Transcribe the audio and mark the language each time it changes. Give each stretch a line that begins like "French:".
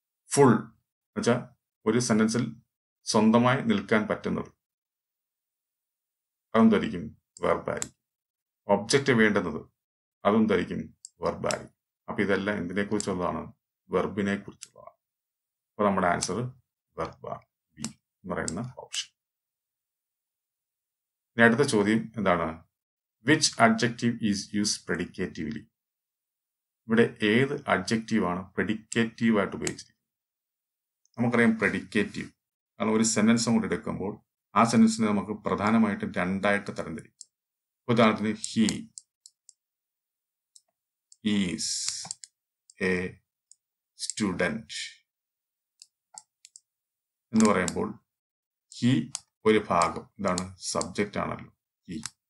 Malayalam: Full എന്ന് വെച്ചാൽ ഒരു സെന്റൻസിൽ സ്വന്തമായി നിൽക്കാൻ പറ്റുന്നത്, അതെന്തായിരിക്കും? വെർബായിരിക്കും. ഒബ്ജക്റ്റ് വേണ്ടുന്നത് അതെന്തായിരിക്കും? വെർബായിരിക്കും. അപ്പൊ ഇതെല്ലാം എന്തിനെ കുറിച്ചുള്ളതാണ്? വെർബിനെ കുറിച്ചുള്ളതാണ്. അപ്പൊ നമ്മുടെ ആൻസർ വെർബാണ്, ബി എന്ന് പറയുന്ന ഓപ്ഷൻ. ഇനി അടുത്ത ചോദ്യം എന്താണ്?
English: Which adjective is used predicatively?
Malayalam: ഇവിടെ ഏത് adjective ആണ് predicative ആയിട്ട് ഉപയോഗിച്ചിരിക്കുന്നത്? നമുക്കറിയാം predicative. കാരണം ഒരു sentence കൂടി എടുക്കുമ്പോൾ ആ സെൻറ്റൻസിനെ നമുക്ക് പ്രധാനമായിട്ടും രണ്ടായിട്ട് തരംതിരിക്കും. ഉദാഹരണത്തിന്
English: he is a student
Malayalam: എന്ന് പറയുമ്പോൾ ഹി ഒരു ഭാഗം, ഇതാണ് സബ്ജക്റ്റ് ആണല്ലോ ഹി.